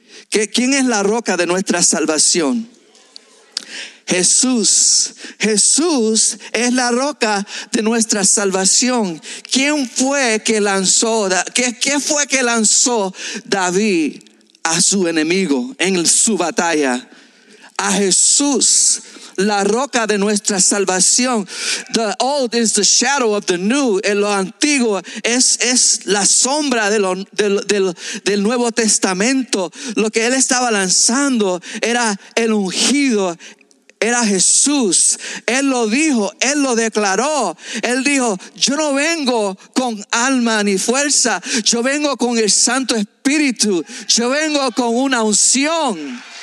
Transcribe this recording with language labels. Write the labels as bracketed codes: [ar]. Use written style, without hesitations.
[es] ¿Quién es la roca de nuestra salvación? Jesús. Jesús es la roca de nuestra salvación. ¿Quién fue que lanzó? ¿Qué fue que lanzó David a su enemigo en su batalla? A Jesús. La roca de nuestra salvación. [en] The old is the shadow of the new. [es] En lo antiguo es la sombra del Nuevo Testamento. Lo que él estaba lanzando era el ungido, era Jesús. Él lo dijo, él lo declaró. Él dijo, yo no vengo con alma ni fuerza, yo vengo con el Santo Espíritu, yo vengo con una unción.